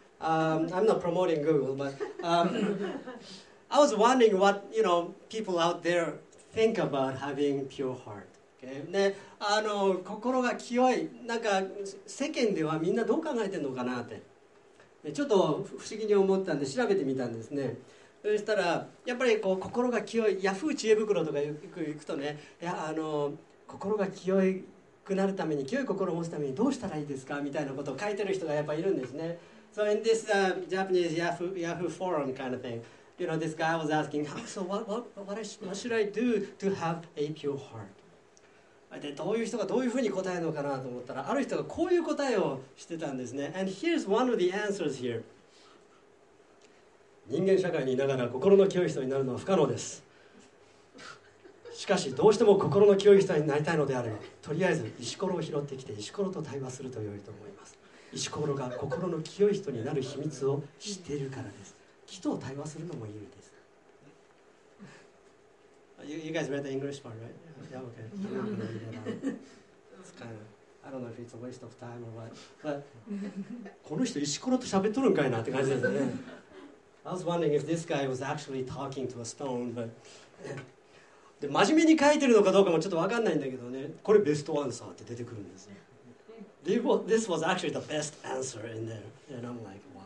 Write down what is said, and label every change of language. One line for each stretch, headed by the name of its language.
English: I'm not promoting Google, but I was wondering what, you know, people out thereThink about having pure heart.
Japanese: Okay? で、あの、心が清い。なんか世間ではみんなどう考えてるのかなって。で、ちょっと不思議に思ったんで調べてみたんですね。そしたらやっぱりこう心が清い。ヤフー知恵袋とかよく行くとね、いや、あの、心が清くなるために、清い心を持つためにどうしたらいいですかみたいなことを書いてる人がやっぱいるんですね。
English: So in this Japanese Yahoo forum kind of thing. You know, this guy was asking, so what should I do to have a pure heart?
Japanese: で、どういう人がどういうふうに答えるのかなと思ったら、ある人がこういう答えをしてたんですね。
English: And here's one of the answers here.
Japanese: 人間社会にいながら心の清い人になるのは不可能です。しかし、どうしても心の清い人になりたいのであれば、とりあえず石ころを拾ってきて石ころと対話すると良いと思います。石ころが心の清い人になる秘密を知っているからです。人と対話するのもいいです。
English: You guys read the English part, right? Yeah, okay. I'm not gonna read it out. It's kind of, I don't know if it's a waste of time or what.
Japanese: But この人石ころと喋っとるんかいなって感じですね。
English: I was wondering if this guy was actually talking to a stone, but
Japanese: で真面目に書いてるのかどうかもちょっと分かんないんだけどね。これベストアンサーって出てくるんですね。
English: This was actually the best answer in there, and I'm like.